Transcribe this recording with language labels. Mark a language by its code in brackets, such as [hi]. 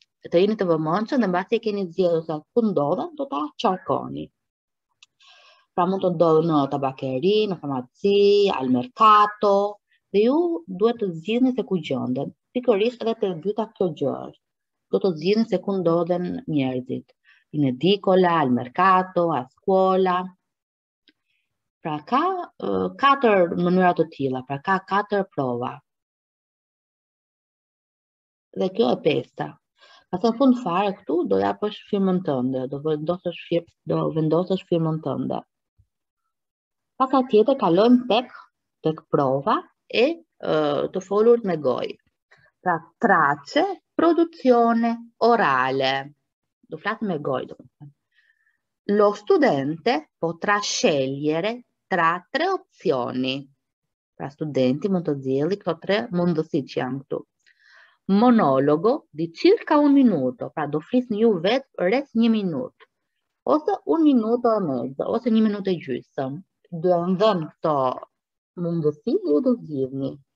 [sq] Të jeni të vëmendshëm dhe mbasi e keni zgjedhur sa ku ndodhen, do ta qarkoni. Pra mund të ndodhë në tabakeri, në farmaci, [it] al mercato, [sq] dhe ju duhet të zgjidhni se ku gjenden. Pikërisht edhe te e dyta kjo gjë është. Do të zgjidhni se ku ndodhen njerëzit. [it] In edicola, al mercato, a scuola. [sq] Pra ka katër mënyra të tilla, pra ka katër prova. Dhe kjo e pesta. Pas në fund fare këtu do japësh firmën tënde, do vendosësh firmën tënde. Pas atjetër kalojmë tek prova e të folurit me gojë. Pra [it] trace, produzione orale. [sq] Do flasim me gojë. [it] Lo studente potrà scegliere tra tre opzioni. [sq] Pra studenti mund të zgjelli këto tre mundësi që janë këtu. [it] Monologo di circa 1 minuto, [sq] pra do flisni ju vetë rreth 1 minutë, ose [it] 1 minuto e mezzo, [sq] ose 1 minutë e gjysmë. Duhen dhënë këto mundësi, ju do zgjidhni.